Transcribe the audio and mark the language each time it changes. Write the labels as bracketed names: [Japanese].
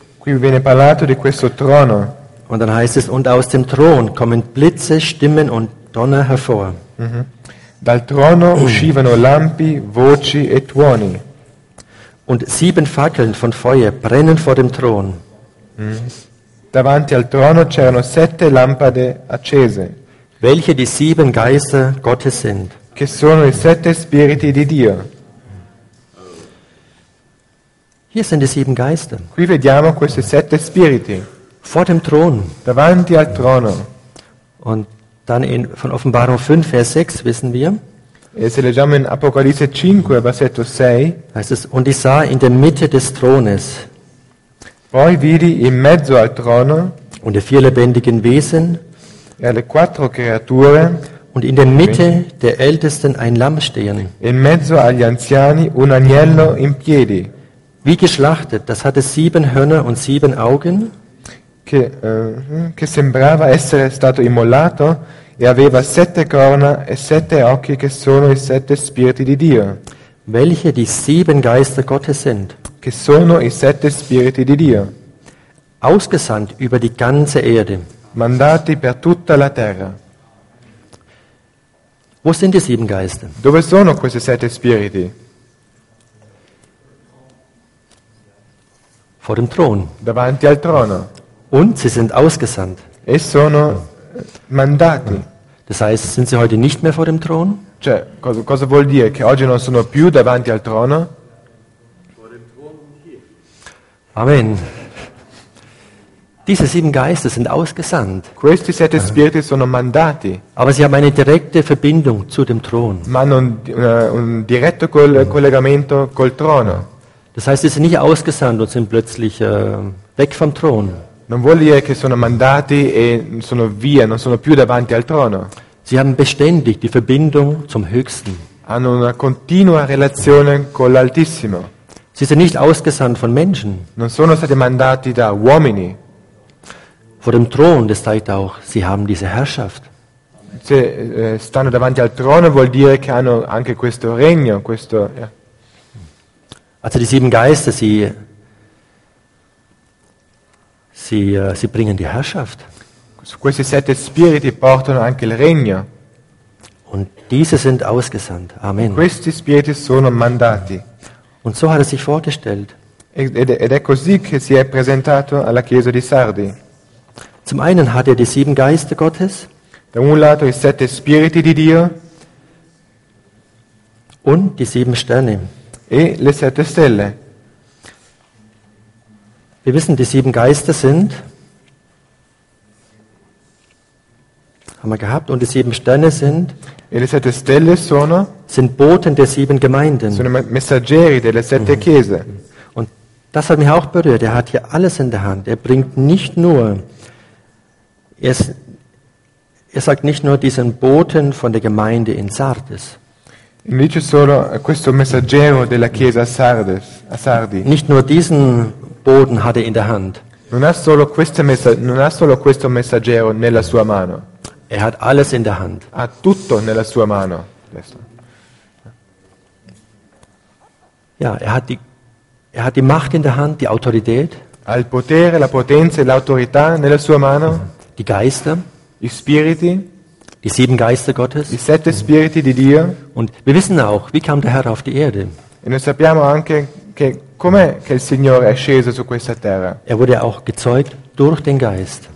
[Italian] Qui viene parlato di questo trono. [German] Und dann heißt es, und aus dem Thron kommen Blitze, Stimmen und Donner hervor. [Italian] Dal trono uscivano lampi, voci e tuoni. [German] Und sieben Fackeln von Feuer brennen vor dem Thron. [Italian] Davanti al trono c'erano sette lampade accese. [German] Welche die sieben Geister Gottes sind. [Italian] Che sono i sette spiriti di Dio. [German] Hier sind die sieben Geister. [Italian] Qui vediamo questi sette spiriti. [German] Vor dem Thron. [Italian] Davanti al trono. [German] Und dann von Offenbarung 5, Vers 6 wissen wir. [Italian] E se leggiamo in Apocalisse 5, versetto 6. [German] Heißt es, und ich sah in der Mitte des Thrones. [Italian] Poi vidi in mezzo al trono. [German] Und die vier lebendigen Wesen. [Italian] E le quattro creature. [German] Und in der Mitte der Ältesten ein Lamm stehen. [Italian] In mezzo agli anziani un agnello in piedi. [German] Wie geschlachtet, das hatte sieben Hörner und sieben Augen. [Italian] Che sembrava essere stato immolato e aveva sette corna e sette occhi che sono i sette spiriti di Dio. [German] Welche die sieben Geister Gottes sind. [Italian] Che sono i sette spiriti di Dio. [German] Ausgesandt über die ganze Erde. [Italian] Mandati per tutta la terra. [German] Wo sind die sieben Geister? [Italian] Dove sono questi sette spiriti? [German] Vor dem Thron. [Italian] Davanti al trono. [German] Und sie sind ausgesandt. [Italian] E sono mandati. [German] Das heißt, sind sie heute nicht mehr vor dem Thron? [Italian] Cioè, cosa vuol dire? Che oggi non sono più davanti al trono? [German] Vor dem Thron hier. Amen. Diese sieben Geister sind ausgesandt. [Italian] Questi sette spiriti sono mandati. [German] Aber sie haben eine direkte Verbindung zu dem Thron. [Italian] Ma hanno un diretto collegamento col trono. [German] Das heißt, sie sind nicht ausgesandt und sind plötzlich weg vom Thron. [Italian] Non vuol dire che sono mandati e sono via, non sono più davanti al trono. [German] Sie haben beständig die Verbindung zum Höchsten. [Italian] Hanno una continua relazione con l'Altissimo. [German] Sie sind nicht ausgesandt von Menschen. [Italian] Non sono stati mandati da uomini. [German] Vor dem Thron, das zeigt auch, sie haben diese Herrschaft. [Italian] Se stanno davanti al trono vuol dire che hanno anche questo regno, questo. [German] Ja. Also die sieben Geister, sie bringen die Herrschaft. [Italian] Questi sette spiriti portano anche il regno. [German] Und diese sind ausgesandt. Amen. [Italian] Questi spiriti sono mandati. [German] Und so hat er sich vorgestellt. [Italian] Ed è così che si è presentato alla chiesa di Sardi. [German] Zum einen hat er die sieben Geister Gottes. [Italian] Da un lato i sette spiriti di Dio. [German] Und die sieben Sterne. [Italian] E le sette stelle. [German] Wir wissen, die sieben Geister sind haben wir gehabt. Und die sieben Sterne sind? [Italian] E le sette stelle sono? [German] Sind Boten der sieben Gemeinden. [Italian] Sono messaggeri delle sette chiese. [German] Und das hat mich auch berührt. Er hat hier alles in der Hand. Er bringt nicht nur, er sagt nicht nur diesen Boten von der Gemeinde in Sardes. [Italian] Invece solo questo messaggero della chiesa a Sardi. [German] Nicht nur diesen Boten hat er in der Hand. [Italian] Non ha solo questo messaggero nella sua mano. [German] Er hat alles in der Hand. [Italian] Ha tutto nella sua mano. [German] Ja, er hat die Macht in der Hand, die Autorität. [Italian] Ha il potere, la potenza e l'autorità nella sua mano. [German] Die Geister. [Italian] I spiriti. [German] Die sieben Geister Gottes. [Italian] I sette spiriti di Dio. [German] Und wir wissen auch, wie kam der Herr auf die Erde. [Italian] E noi sappiamo anche che com'è che il Signore è sceso su questa terra. [German] Er wurde auch gezeugt durch den Geist.